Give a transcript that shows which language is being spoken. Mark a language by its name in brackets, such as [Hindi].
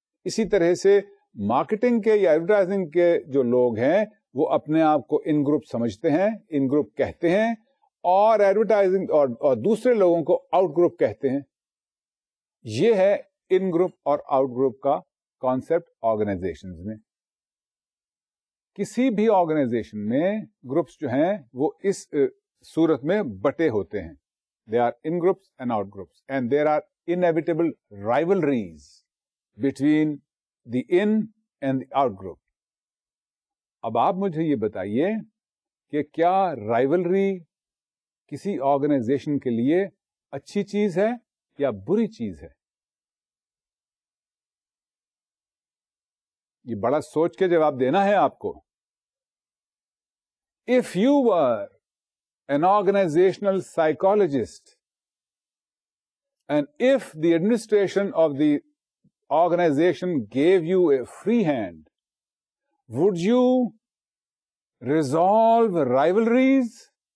[Urdu] اسی طرح سے مارکیٹنگ کے یا ایڈورٹائزنگ کے جو لوگ ہیں وہ اپنے آپ کو ان گروپ سمجھتے ہیں, ان گروپ کہتے ہیں, اور ایڈورٹائزنگ اور دوسرے لوگوں کو آؤٹ گروپ کہتے ہیں. یہ ہے ان گروپ اور آؤٹ گروپ کا کانسیپٹ آرگنائزیشنز میں. کسی بھی آرگنائزیشن میں گروپس جو ہیں وہ اس صورت میں بٹے ہوتے ہیں. [English] There are in groups and out groups, and there are inevitable rivalries between the in and the out group. [Urdu] اب آپ مجھے یہ بتائیے کہ کیا rivalry کسی organization کے لیے اچھی چیز ہے یا بری چیز ہے؟ یہ بڑا سوچ کے جواب دینا ہے آپ کو. [English] If you were an organizational psychologist, and if the administration of the organization gave you a free hand, would you resolve rivalries